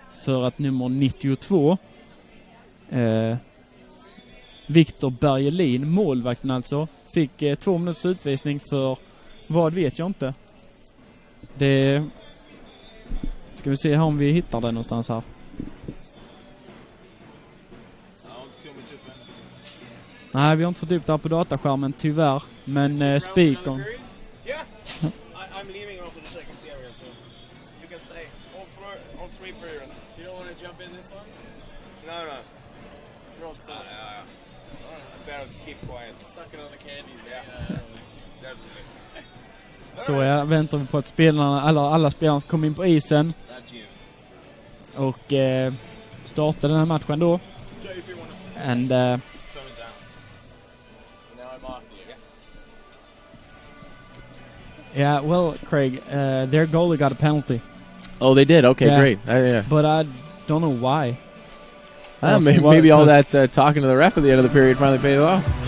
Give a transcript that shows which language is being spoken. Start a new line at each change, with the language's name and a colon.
Swedish: För att nummer 92, Viktor Bergelin, målvakten alltså, fick 2 minuters utvisning för vad vet jag inte. Det ska vi se här om vi hittar det någonstans här. Nej, vi har inte fått upp det här på dataskärmen tyvärr.
English: Men speak on. I'm leaving after the second period, so you can say all three periods. You don't want to jump in this one? No. Throw two. I better keep quiet. Sucking on the candy. Yeah.
Swedish: Så jag väntar på att spelarna, alla spelarna ska komma in på isen och starta den här matchen då.
English: And yeah, well, Craig, their goalie got a penalty. Oh, they did. Okay, yeah. Great. Yeah. But I don't know why. Maybe all that talking to the ref at the end of the period finally paid off.